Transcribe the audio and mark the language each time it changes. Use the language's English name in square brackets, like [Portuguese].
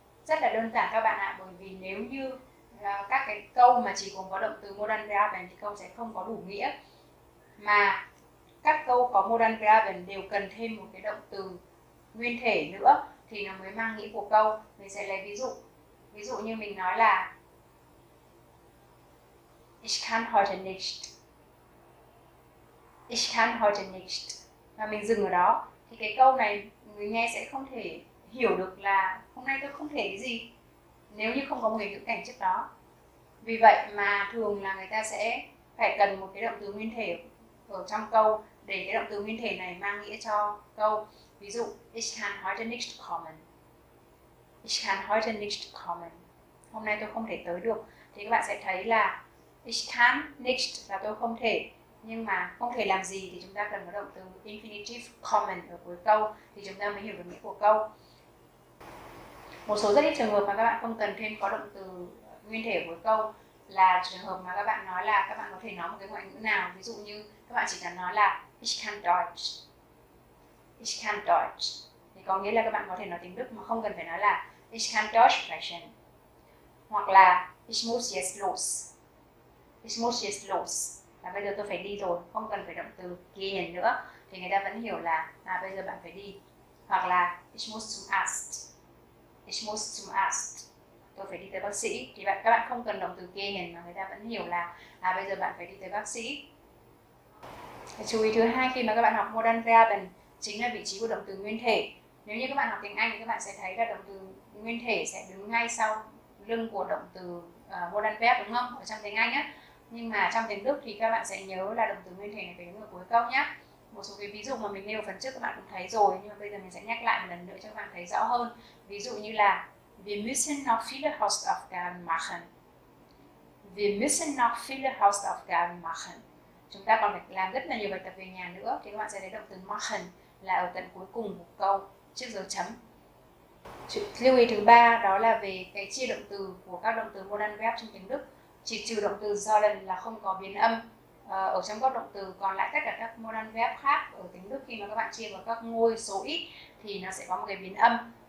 [Vietnamese] Rất là đơn giản các bạn ạ, bởi vì nếu như các cái câu mà chỉ gồm có động từ modal verben thì câu sẽ không có đủ nghĩa. Mà các câu có modal verben đều cần thêm một cái động từ nguyên thể nữa thì nó mới mang nghĩa của câu. Mình sẽ lấy ví dụ. Ví dụ như mình nói là [German] Ich kann heute nicht. Ich kann heute nicht. [Vietnamese] Và mình dừng ở đó. Thì cái câu này người nghe sẽ không thể hiểu được là hôm nay tôi không thể cái gì nếu như không có một cái ngữ cảnh trước đó. Vì vậy mà thường là người ta sẽ phải cần một cái động từ nguyên thể ở trong câu để cái động từ nguyên thể này mang nghĩa cho câu. Ví dụ, [German] Ich kann heute nicht kommen. Ich kann heute nicht kommen. [Vietnamese] Hôm nay tôi không thể tới được. Thì các bạn sẽ thấy là [German] Ich kann nicht [Vietnamese] là tôi không thể. Nhưng mà không thể làm gì thì chúng ta cần có động từ infinitive kommen ở cuối câu thì chúng ta mới hiểu được nghĩa của câu. Một số rất ít trường hợp mà các bạn không cần thêm có động từ nguyên thể ở cuối câu là trường hợp mà các bạn nói là các bạn có thể nói một cái ngoại ngữ nào. Ví dụ như các bạn chỉ cần nói là [German] Ich kann Deutsch. Ich kann Deutsch. [Vietnamese] Thì có nghĩa là các bạn có thể nói tiếng Đức mà không cần phải nói là [German] Ich kann Deutsch sprechen. [Vietnamese] Hoặc là [German] Ich muss jetzt los. Ich muss jetzt los. [Vietnamese] Là bây giờ tôi phải đi rồi, không cần phải động từ gehen nữa. Thì người ta vẫn hiểu là bây giờ bạn phải đi. Hoặc là [German] Ich muss zum Arzt. Ich muss zum Arzt. [Vietnamese] Tôi phải đi tới bác sĩ. Thì các bạn không cần động từ gehen mà người ta vẫn hiểu là bây giờ bạn phải đi tới bác sĩ. Chú ý thứ hai khi mà các bạn học modal verben chính là vị trí của động từ nguyên thể. Nếu như các bạn học tiếng Anh thì các bạn sẽ thấy là động từ nguyên thể sẽ đứng ngay sau lưng của động từ modal verb đúng không? Ở trong tiếng Anh á. Nhưng mà trong tiếng Đức thì các bạn sẽ nhớ là động từ nguyên thể này phải đứng ở cuối câu nhé. Một số cái ví dụ mà mình nêu phần trước các bạn cũng thấy rồi nhưng mà bây giờ mình sẽ nhắc lại một lần nữa cho các bạn thấy rõ hơn. Ví dụ như là [German] Wir müssen noch viele Hausaufgaben machen. Wir müssen noch viele Hausaufgaben machen. [Vietnamese] Chúng ta còn phải làm rất là nhiều bài tập về nhà nữa thì các bạn sẽ thấy động từ machen là ở tận cuối cùng của câu trước dấu chấm. Lưu ý thứ ba đó là về cái chia động từ của các động từ modal verb trong tiếng Đức. Chỉ trừ động từ sollen là không có biến âm ở trong các động từ, còn lại tất cả các modal verb khác ở tiếng Đức khi mà các bạn chia vào các ngôi số ít thì nó sẽ có một cái biến âm.